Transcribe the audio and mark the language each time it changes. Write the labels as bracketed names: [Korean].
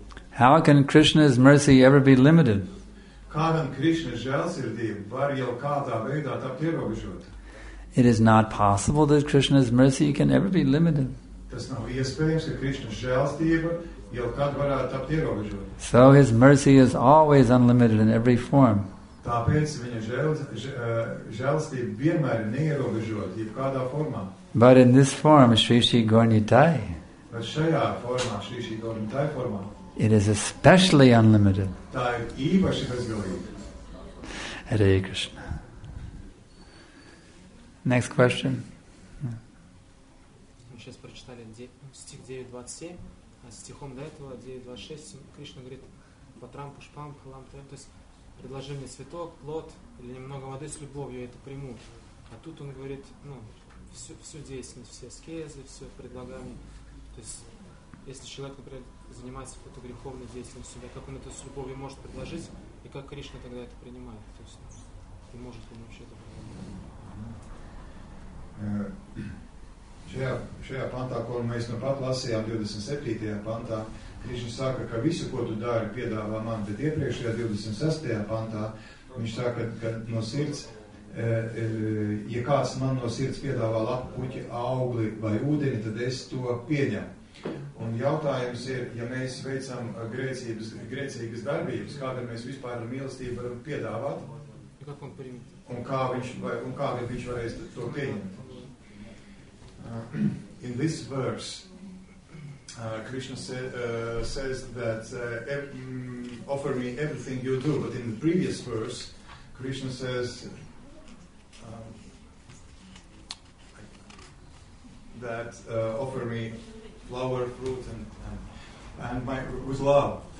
[English] How can Krishna's mercy ever be limited? It is not possible that Krishna's mercy can ever be limited. [Latvian] Tas nav iespējams, ka Krišna žēlstība jau kad varētu tapt ierobežot. [English] So his mercy is always unlimited in every form. [Latvian] Tāpēc viņa žēlstība vienmēr ir neierobežot, jebkādā formā. [English] But in this form, Shri Shri Gornitai, [Latvian] bet šajā formā, Shri Shri Gornitai formā, [English] it is especially unlimited. [Latvian] Tā ir īpaši bezgalīga. [English] Hare Krishna. Next question. [Russian] Сейчас прочитали стих 9.27, а стихом до этого 9.26 Кришна говорит [Sanskrit] «Патрам, пушпам, халам, тэм». [Russian] То есть предложи мне цветок, плод или немного воды с любовью, я это приму. А тут он говорит, ну, всю деятельность, все аскезы, все предлагание. То есть если человек, например, занимается какой-то греховной деятельностью, да, как он это с любовью может предложить, и как Кришна тогда это принимает? То есть и может ли он вообще это принимать? [Latvian] Šajā pantā, ko mēs nu pat lasījām 27. Pantā, Krišņa saka, ka visu, ko tu dari, piedāvā man, bet iepriekšējā 26. Pantā, viņš saka, ka no sirds, ja kāds man no sirds piedāvā lapu, puķi, augli vai ūdeni, tad es to pieņem. Un jautājums ir, ja mēs veicam grēcīgas darbības, kāda mēs vispār ar mīlestību varam piedāvāt? Un kā viņš varēs to pieņemt? [English] In this verse, Krishna says that offer me everything you do. But in the previous verse, Krishna says that offer me flower, fruit, and my with love.